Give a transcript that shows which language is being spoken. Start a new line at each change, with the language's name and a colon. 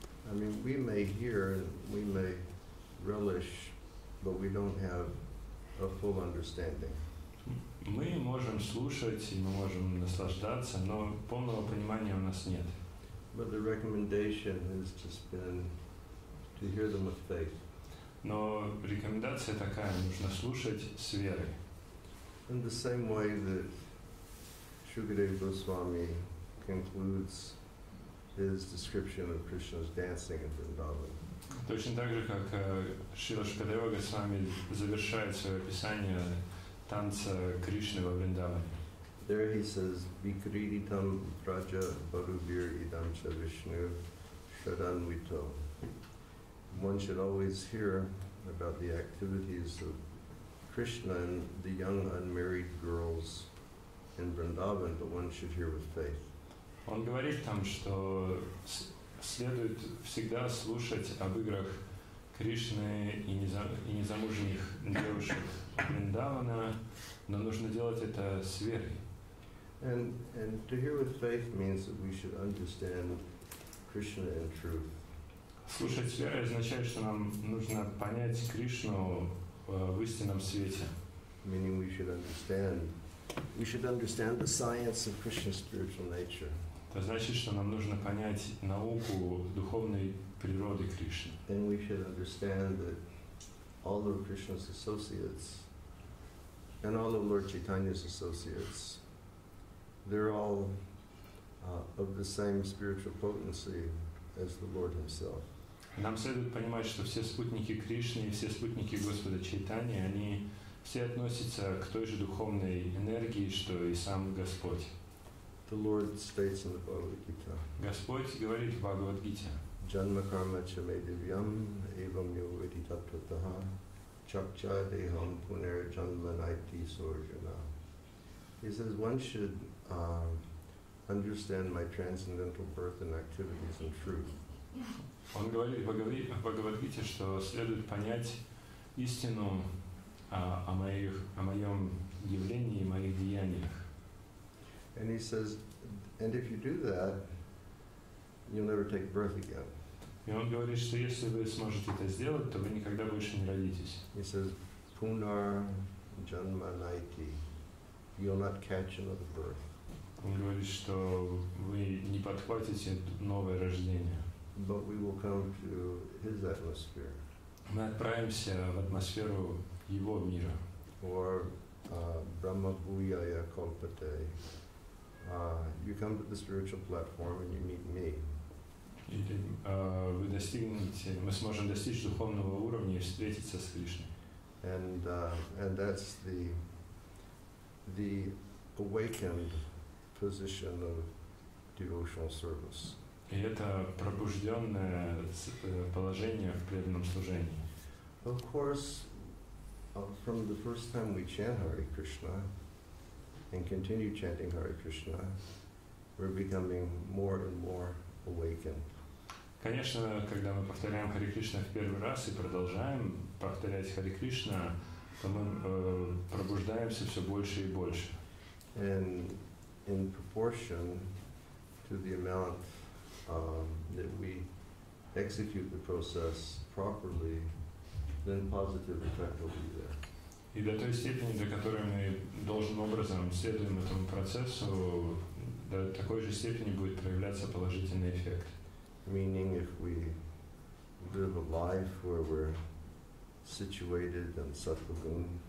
English: I mean, we may hear, we may relish, but we don't have a full understanding.
Russian: Мы можем слушать, мы можем наслаждаться, но полного понимания у нас нет.
English: But the recommendation has just been to hear them with faith.
Russian: Но рекомендация такая, нужно слушать с верой.
English: In the same way that Shukadeva Goswami concludes his description of Krishna's dancing in Vrindavan.
Russian: Точно так же, как Шрила Шукадева Госвами завершает свое описание танца Кришны во Вриндаване.
English: There he says,
Sanskrit: Vikriditam Praja Bharubir Idam Cha Vishnu Shadanvito.
English: One should always hear about the activities of Krishna and the young unmarried girls in Vrindavan, but one should hear with faith.
Russian: Он говорит там, что следует всегда слушать об играх Кришны и незамужних девушек Вриндавана, но нужно делать это с верой.
English: And to hear with faith means that we should understand Krishna in truth.
Russian: Слушать с верой означает, что нам нужно понять Кришну в истинном свете.
English: Meaning we should understand the science of Krishna's spiritual nature.
Russian: Это значит, что нам нужно понять науку духовной природы Кришны.
English: Then we should understand that all of Krishna's associates and all of Lord Chaitanya's associates, they're all of the same spiritual potency as the Lord himself.
Russian: Нам следует понимать, что все спутники Кришны и все спутники Господа Чайтаньи, они все относятся к той же духовной энергии, что и сам Господь.
English: The Lord states in the Bhagavad Gita.
Russian: Господь говорит в Бхагавад Гите.
Sanskrit: Janma karma cha me divyam evam yo viditattvatah chakcha deham puner janma naiti sorjana.
English: He says one should understand my transcendental birth and activities and truth.
Russian: Он говорит в Бхагавад Гите, что следует понять истину о моем явлении и моих деяниях.
English: And he says, and if you do that, you'll never take birth again.
Russian: И он говорит, что если вы сможете это сделать, то вы никогда больше не родитесь.
English: He says,
Sanskrit: punar janma naiti,
English: you'll not catch another birth.
Russian: Он говорит, что вы не подхватите новое рождение.
English: But we will come to his atmosphere.
Russian: Мы отправимся в атмосферу его мира.
English: Or
Sanskrit: Brahma Bhuyaya Kalpate.
English: You come to the spiritual platform and you meet me.
Russian: Мы сможем достичь духовного уровня и встретиться с Кришной.
English: And that's the awakened position of devotional service.
Russian: И это пробужденное положение в преданном служении.
English: Of course, from the first time we chant Hare Krishna and continue chanting Hare Krishna, we're becoming more and more awakened.
Russian: Конечно, когда мы повторяем Хари Кришна в первый раз и продолжаем повторять Хари Кришна, то мы пробуждаемся все больше и больше.
English: And in proportion to the amount that we execute the process properly, then positive effect will be there.
Russian: И до той степени, до которой мы должным образом следуем этому процессу, до такой же степени будет проявляться положительный эффект.
English: Meaning, if we live a life where we're situated in sattva-gun.